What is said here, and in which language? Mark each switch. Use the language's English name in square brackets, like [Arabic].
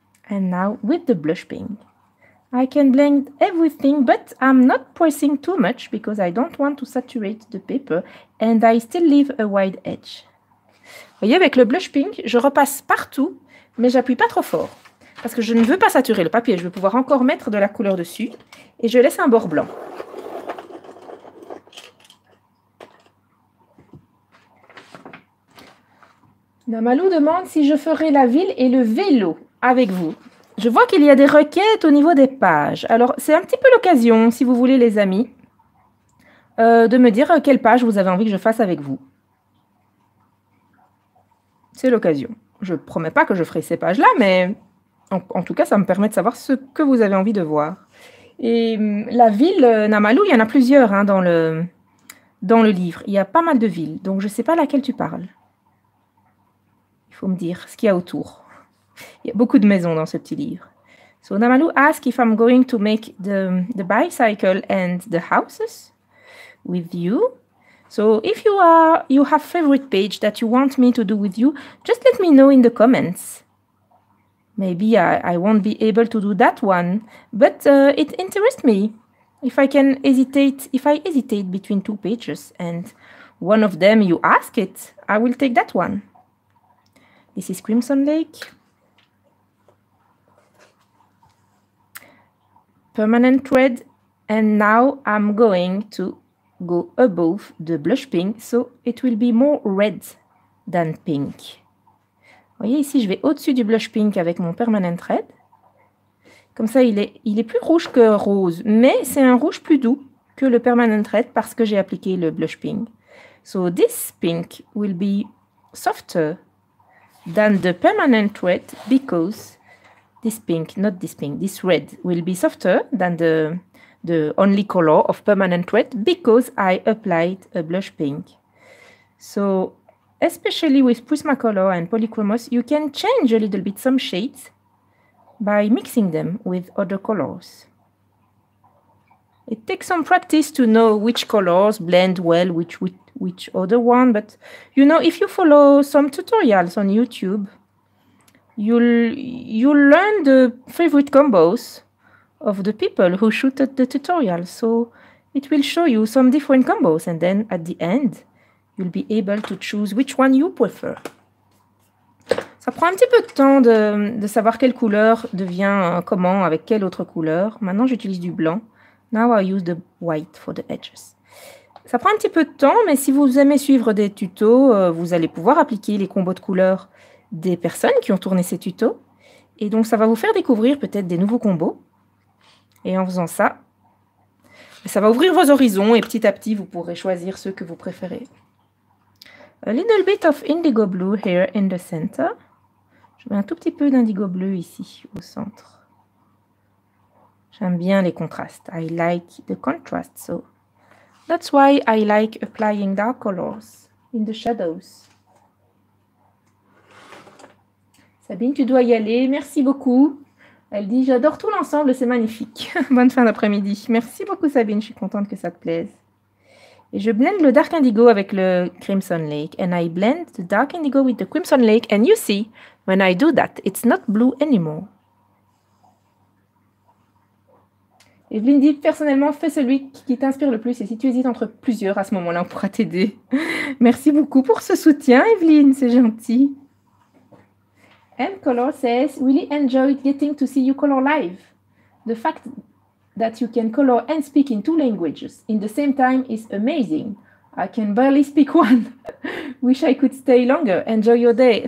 [English] And now with the blush pink, I can blend everything, but I'm not pressing too much because I don't want to saturate the paper and I still leave a wide edge. [French] Vous voyez, avec le blush pink, je repasse partout, mais j'appuie pas trop fort parce que je ne veux pas saturer le papier. Je veux pouvoir encore mettre de la couleur dessus et je laisse un bord blanc. Namalou demande si je ferai la ville et le vélo avec vous. Je vois qu'il y a des requêtes au niveau des pages. Alors, c'est un petit peu l'occasion, si vous voulez, les amis, de me dire quelle page vous avez envie que je fasse avec vous. C'est l'occasion. Je ne promets pas que je ferai ces pages-là, mais en tout cas, ça me permet de savoir ce que vous avez envie de voir. Et la ville, Namalou, il y en a plusieurs hein, dans le livre. Il y a pas mal de villes, donc je ne sais pas laquelle tu parles. Il faut me dire ce qu'il y a autour. Il y a beaucoup de maisons dans ce petit livre. [English] So Namalu asks if I'm going to make the bicycle and the houses with you. So if you are, you have favorite page that you want me to do with you, just let me know in the comments. Maybe I won't be able to do that one, but it interests me. If I can hesitate, if I hesitate between two pages and one of them you ask it, I will take that one. This is Crimson Lake. Permanent red, and now I'm going to go above the blush pink, so it will be more red than pink. Vous voyez ici, je vais au-dessus du blush pink avec mon permanent red. Comme ça, il est plus rouge que rose, mais c'est un rouge plus doux que le permanent red parce que j'ai appliqué le blush pink. So this pink will be softer than the permanent red because this pink, not this pink, this red will be softer than the only color of permanent red because I applied a blush pink. So especially with Prismacolor and Polychromos, you can change a little bit some shades by mixing them with other colors. It takes some practice to know which colors blend well which other one, but you know, if you follow some tutorials on YouTube, you'll learn the favorite combos of the people who shoot at the tutorial. So it will show you some different combos, and then at the end, you'll be able to choose which one you prefer. [French] Ça prend un petit peu de temps de savoir quelle couleur devient comment avec quelle autre couleur. Maintenant, j'utilise du blanc. [English] Now I use the white for the edges. [French] Ça prend un petit peu de temps, mais si vous aimez suivre des tutos, vous allez pouvoir appliquer les combos de couleurs des personnes qui ont tourné ces tutos. Et donc, ça va vous faire découvrir peut-être des nouveaux combos. Et en faisant ça, ça va ouvrir vos horizons et petit à petit, vous pourrez choisir ceux que vous préférez. [English] A little bit of indigo blue here in the center. [French] Je mets un tout petit peu d'indigo bleu ici, au centre. J'aime bien les contrastes. [English] I like the contrast, so that's why I like applying dark colors in the shadows. [French] Sabine, tu dois y aller. Merci beaucoup. Elle dit, j'adore tout l'ensemble, c'est magnifique. Bonne fin d'après-midi. Merci beaucoup, Sabine. Je suis contente que ça te plaise. Et je blend le dark indigo avec le crimson lake. [English] And I blend the dark indigo with the crimson lake. And you see, when I do that, it's not blue anymore. [French] Evelyne dit, personnellement, fais celui qui t'inspire le plus. Et si tu hésites entre plusieurs, à ce moment-là, on pourra t'aider. Merci beaucoup pour ce soutien, Evelyne. C'est gentil. [English] M-Color says, really enjoyed getting to see you color live. The fact that you can color and speak in two languages in the same time is amazing. I can barely speak one. Wish I could stay longer. Enjoy your day.